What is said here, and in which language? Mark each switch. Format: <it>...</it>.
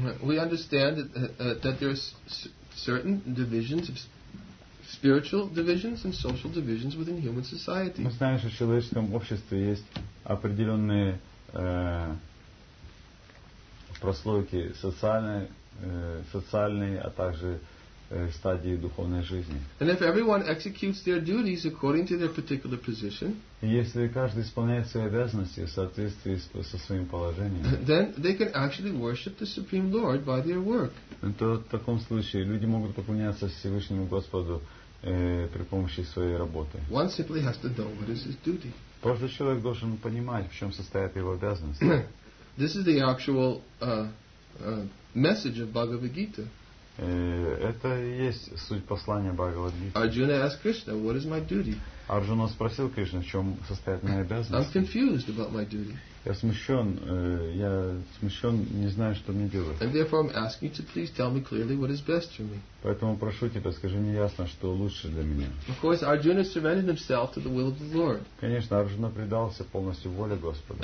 <en>We understand that there are certain divisions of spiritual divisions and social divisions within human society.</en> <ru>Мы знаем, что в человеческом обществе есть определенные прослойки социальные, а также стадии духовной жизни.</ru> <en>And if everyone executes their duties according to their particular position,</en> <ru>если каждый исполняет свои обязанности в соответствии со своим положением,</ru> <en>then they can actually worship the Supreme Lord by their work.</en> <ru>То в таком случае люди могут поклоняться Всевышнему Господу при помощи своей работы.</ru> <en>One simply has to know what is his duty.</en> <ru>Просто человек должен понимать, в чем состоит его обязанность.</ru> <en>This is the actual message of Bhagavad Gita.</en> <ru>Это и есть суть послания Бхагавад Гиты.</ru> <en>Arjuna asked Krishna, what is my duty?</en> <ru>Арджуна спросил Кришну, в чем состоит моя обязанность.</ru> <en>I'm confused about my duty.</en> <ru>Я смущен, не знаю, что мне делать.</ru> <en>And therefore I'm asking you to please tell me clearly what is best for me.</en> <ru>Поэтому прошу тебя, скажи мне ясно, что лучше для меня.</ru> <en>Of course, Arjuna surrendered himself to the will of the Lord.</en> <ru>Конечно, Арджуна предался полностью воле Господа.</ru>